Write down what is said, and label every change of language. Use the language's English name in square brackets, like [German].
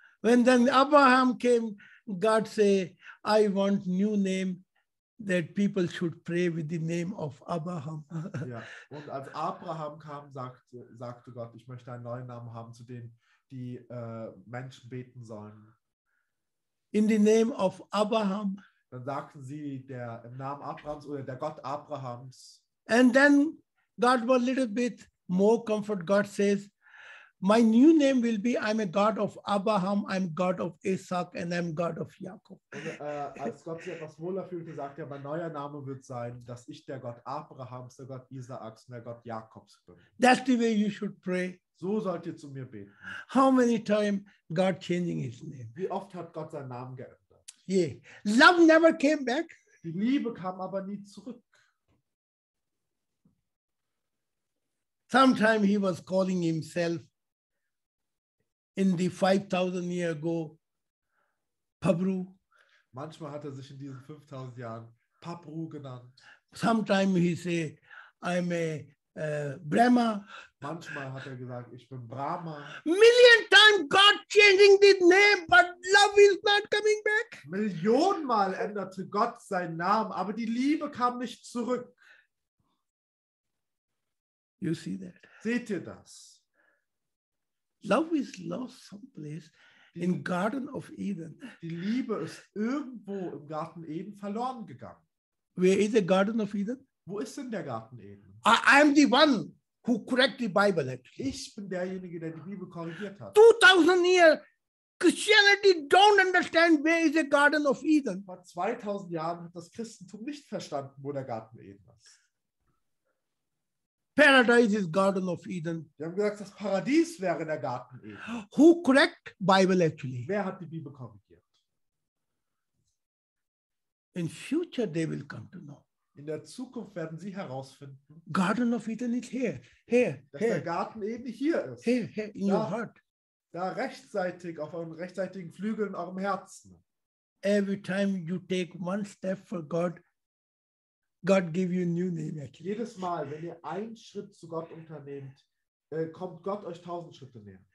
[English] When then Abraham came, God say, I want new name that people should pray with the name of Abraham. [German] Ja. Und als Abraham kam, sagte Gott, ich möchte einen neuen Namen haben, zu dem die Menschen beten sollen. [English] In the name of Abraham. [German] Dann sagten sie, der im Namen Abrahams oder der Gott Abrahams. [English] And then God was a little bit more comfort. God says, my new name will be, I'm a God of Abraham, I'm God of Isaac, and I'm God of Jacob. [German] Als Gott sich etwas wohler fühlte, sagt er, mein neuer Name wird sein, dass ich der Gott Abrahams, der Gott Isaaks und der Gott Jakobs bin. [English] That's the way you should pray. [German] So sollt ihr zu mir beten. [English] How many times God changing his name? [German] Wie oft hat Gott seinen Namen geändert? [English] Yeah. Love never came back. [German] Die Liebe kam aber nie zurück. [English] Sometime he was calling himself in the 5000 years ago Pabru. [German] Manchmal hat er sich in diesen 5000 Jahren Pabru genannt. [English] Sometime he say, I'm a Brahma. [German] Manchmal hat er gesagt, ich bin Brahma. [English] Million time God changing the name, but love is not coming back. [German] Millionenmal änderte Gott seinen Namen, aber die Liebe kam nicht zurück. [English] You see that? [German] Seht ihr das? [English] Love is lost someplace in Garden of Eden. [German] Die Liebe ist irgendwo im Garten Eden verloren gegangen. [English] Where is the Garden of Eden? [German] Wo ist denn der Garten Eden? [English] I am the one who correct the Bible actually. [German] Ich bin derjenige, der die Bibel korrigiert hat. [English] 2000 years Christianity don't understand where is the Garden of Eden. [German] Vor 2000 Jahren hat das Christentum nicht verstanden, wo der Garten Eden ist. [English] Paradise is Garden of Eden. [German] Wir haben gesagt, das Paradies wäre der Garten Eden. [English] Who correct Bible actually? [German] Wer hat die Bibel korrigiert? [English] In future they will come to know. [German] In der Zukunft werden sie herausfinden. [English] Garden of Eden is here. [German] Dass der Garten Eden hier ist. [English] Here, in da, your heart. [German] Da rechtzeitig, auf euren rechtzeitigen Flügeln in eurem Herzen. [English] Every time you take one step for God, God give you a new name. [German] Jedes Mal, wenn ihr einen Schritt zu Gott unternehmt, kommt Gott euch 1000 Schritte näher.